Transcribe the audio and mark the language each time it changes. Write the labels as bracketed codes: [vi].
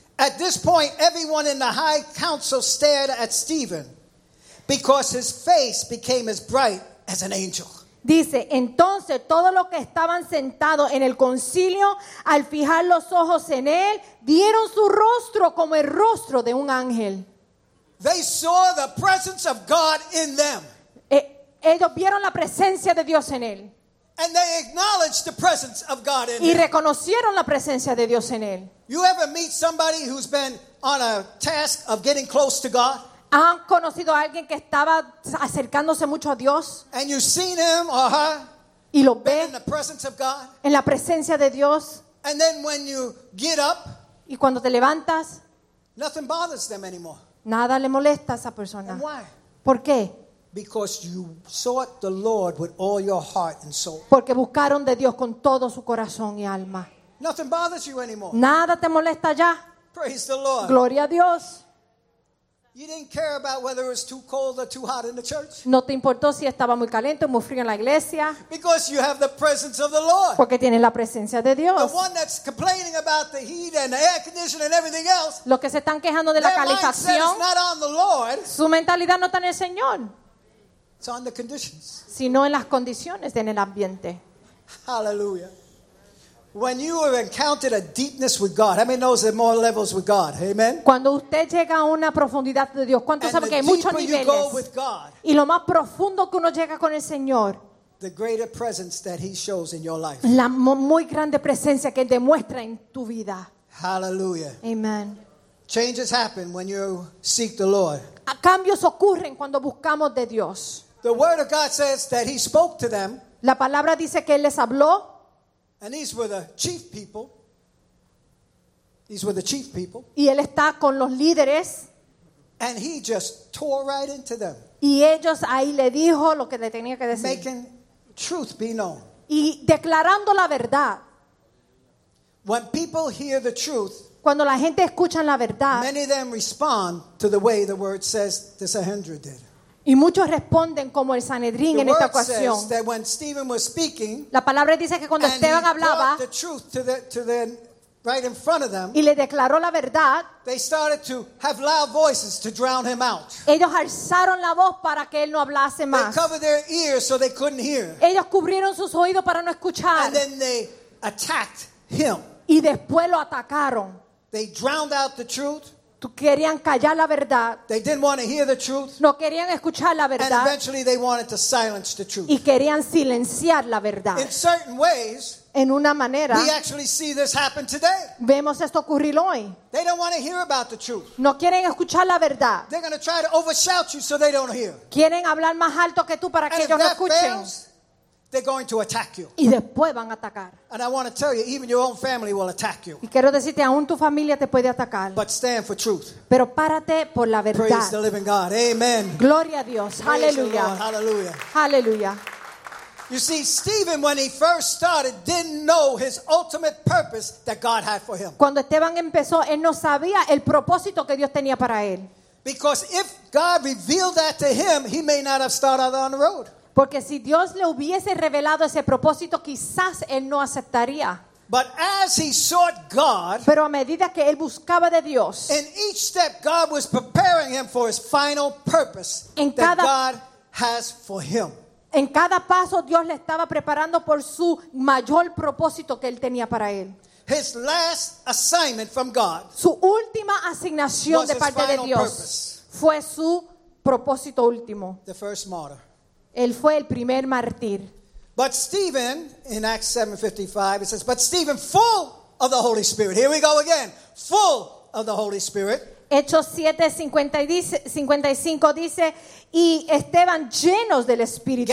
[en] At this point, everyone in the high council stared at Stephen because his face became as bright as an angel. [es] Dice, entonces todos los que estaban sentados en el concilio, al fijar los ojos en él, vieron su rostro como el rostro de un ángel. [en] They saw the presence of God in them. [es] Ellos vieron la presencia de Dios en él. [en] And they acknowledged the presence of God in [es] y reconocieron la presencia de Dios en él. [en] You ever meet somebody who's been on a task of getting close to God? [es] ¿Han conocido a alguien que estaba acercándose mucho a Dios? [en] And you've seen him or her, [es] y lo ve [en] in the presence of God? [es] En la presencia de Dios. [en] And then when you get up, [es] y cuando te levantas, [en] nothing bothers them anymore. [es] Nada le molesta a esa persona. [en] And why? [es] ¿Por qué? [en] Because you sought the Lord with all your heart and soul. [es] Porque buscaron de Dios con todo su corazón y alma. [en] Nothing bothers you anymore. [es] Nada te molesta ya. [en] Praise the Lord. [es] Gloria a Dios. [en] You didn't care about whether it was too cold or too hot in the church. [es] No te importó si estaba muy caliente o muy frío en la iglesia. [en] Because you have the presence of the Lord. [es] Porque tienes la presencia de Dios. [en] The one that's complaining about the heat and the air conditioning and everything else. [es] Los que se están quejando de la calefacción. [en] Their mindset is not on the Lord. [es] Su mentalidad no está en el Señor. [en] It's on the conditions. [es] Sino en las condiciones, en el ambiente. Hallelujah. [en] When you have encountered a deepness with God, how many knows there are more levels with God? Amen. [es] Cuando usted llega a una profundidad de Dios, ¿cuántos saben que hay muchos niveles? [en] And the deeper you go with God, [es] y lo más profundo que uno llega con el Señor, [en] the greater presence that He shows in your life. [es] La muy grande presencia que demuestra en tu vida. Hallelujah. Amen. [en] Changes happen when you seek the Lord. [es] Cambios ocurren cuando buscamos de Dios. [en] The word of God says that He spoke to them. [es] La palabra dice que él les habló. [en] And these were the chief people. These were the chief people. [es] Y él está con los líderes. [en] And he just tore right into them. [es] Y ellos ahí le dijo lo que le tenía que decir. [en] Making truth be known. [es] Y declarando la verdad. [en] When people hear the truth, [es] cuando la gente escucha la verdad, [en] many of them respond to the way the word says the Sanhedrin did. [es] Y muchos responden como el Sanedrín en esta ocasión. [en] That when Stephen was speaking, [es] la palabra dice que cuando Esteban hablaba, [en] the truth to the right in front of them, [es] y le declaró la verdad, [en] they started to have loud voices to drown him out. [es] Ellos alzaron la voz para que él no hablase más. [en] They covered their ears so they couldn't hear. [es] Ellos cubrieron sus oídos para no escuchar. [en] And then they attacked him. [es] Y después lo atacaron. [en] They drowned out the truth. [es] Querían callar la verdad. [en] They didn't want to hear the truth. [es] No querían escuchar la verdad. [en] And eventually they wanted to silence the truth. [es] Y querían silenciar la verdad. [en] In certain ways, [es] en una manera, [en] we actually see this happen today. [es] Vemos esto ocurrir hoy. [en] They don't want to hear about the truth. [es] No quieren escuchar la verdad. [en] They're going to try to overshout you so they don't hear. [es] Quieren hablar más alto que tú para que ellos no escuchen. [en] They're going to attack you. [es] Y después van a atacar. [en] And I want to tell you, even your own family will attack you. [es] Y quiero decirte, aún tu familia te puede atacar. [en] But stand for truth. [es] Pero párate por la verdad. [en] Praise the living God. Amen. [es] Gloria a Dios. Hallelujah. [en] Praise the Lord. Hallelujah. Hallelujah. You see, Stephen, when he first started, didn't know his ultimate purpose that God had for him. [es] Cuando Esteban empezó, él no sabía el propósito que Dios tenía para él. [en] Because if God revealed that to him, he may not have started on the road. [es] Porque si Dios le hubiese revelado ese propósito, quizás él no aceptaría. [en] But as he sought God, [es] pero a medida que él buscaba de Dios, [en] in each step God was preparing him for his final purpose that God has for him. [es] En cada paso Dios le estaba preparando por su mayor propósito que él tenía para él. [en] His last assignment from God, [es] su última asignación de parte de Dios, fue su propósito último. [en] The first martyr. [es] Él fue el primer mártir. [en] But Stephen, in Acts 7:55, it says, but Stephen, full of the Holy Spirit. Here we go again. Full of the Holy Spirit. [es] Hechos 7:55 dice, y Esteban, llenos del Espíritu